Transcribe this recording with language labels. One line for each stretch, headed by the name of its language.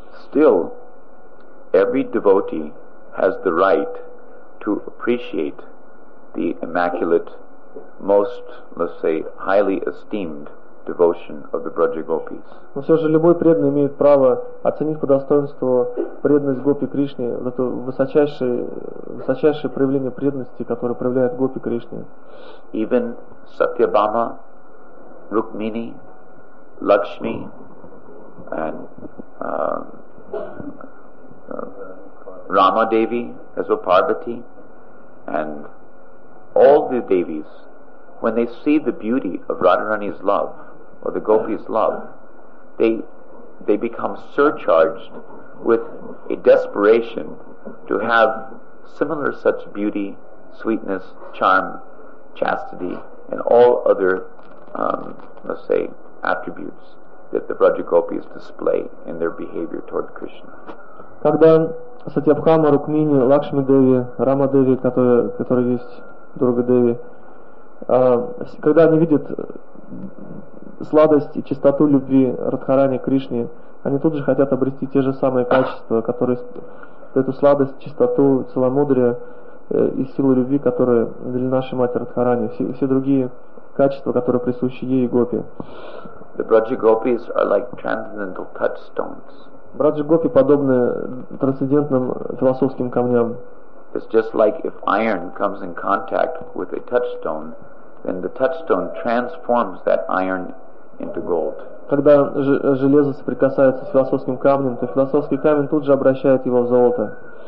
English: Still, every devotee has the right to appreciate the immaculate, most, let's say, highly esteemed devotion of the Braja Gopis.
Russian: Но все же любой преданный имеет право оценить по достоинству преданность Гопи Кришне, вот это высочайшее проявление преданности, которое проявляет Гопи Кришне.
English: Even Satyabhama, Rukmini, Lakshmi, and Rama Devi, as well Parvati, and all the Devis, when they see the beauty of Radharani's love, or the gopi's love, they become surcharged with a desperation to have similar such beauty, sweetness, charm, chastity, and all other let's say attributes that the Braja gopis display in their behavior toward Krishna.
Russian: Когда Сатьябхама, Рукмини, Лакшми Деви, Рама Деви, которые есть Дурга Деви, когда они видят сладость и чистоту любви Радхарани к Кришне, они тут же хотят обрести те же самые качества, которые эту сладость, чистоту, целомудрие и силу любви, которые для нашей матери Радхарани, все другие качества, которые присущи ей и гопи.
English: The Braja gopis are like transcendental touchstones.
Russian: Браджа гопи подобны трансцендентным философским камням.
English: It's just like if iron comes in contact with a touchstone, then the touchstone transforms that iron into gold.
Russian: Когда железо соприкасается с философским камнем, то философский камень тут же обращает его в золото.